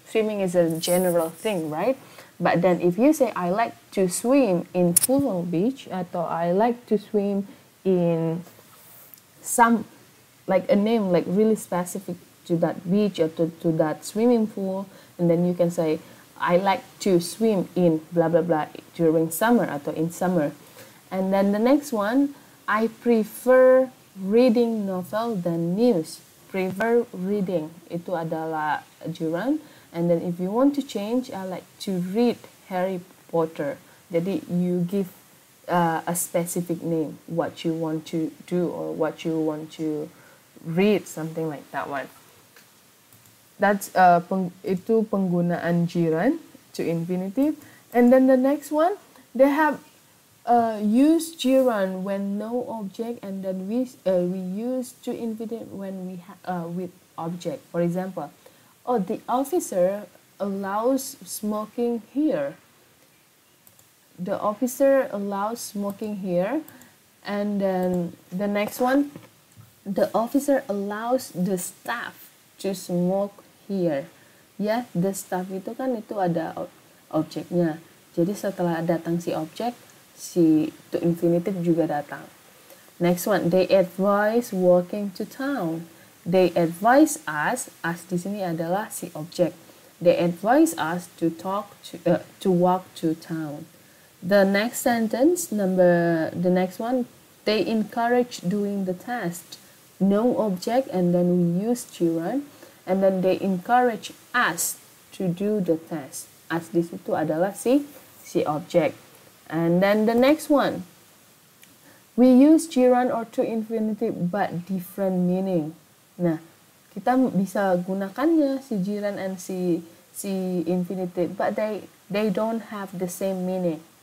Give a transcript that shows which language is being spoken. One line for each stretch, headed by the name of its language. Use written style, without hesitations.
English: Swimming is a general thing, right? But then if you say, I like to swim in Pulong Beach,
Indonesian: atau
English: I like to swim in some, like a name, like really specific to that beach or to that swimming pool, and then you can say, I like to swim in blah, blah, blah during summer, atau in summer. And then the next one, I prefer reading novel than news. Prefer reading,
Indonesian: itu adalah gerund.
English: And then if you want to change, I like to read Harry Potter.
Indonesian: Jadi
English: you give a specific name, what you want to do or what you want to read, something like that one. That's
Indonesian: itu penggunaan
English: gerund to infinitive. And then the next one, they have use gerund when no object, and then we use to infinitive when we with object. For example, oh, the officer allows smoking here. The officer allows smoking here. And then the next one, the officer allows the staff to smoke here. Yeah, the staff
Indonesian: itu kan itu ada objeknya. Jadi setelah datang si objek, si to infinitive juga datang.
English: Next one, they advise walking to town. They advise us,
Indonesian: as di sini adalah si
English: object. They advise us to talk to walk to town. The next sentence, the next one, they encourage doing the test. No object, and then we use gerund. And then they encourage us to do the test.
Indonesian: As di situ adalah si object.
English: And then the next one, we use gerund or to infinitive, but different meaning.
Indonesian: Nah, kita bisa gunakannya si gerund and si infinitive,
English: but they don't have the same meaning.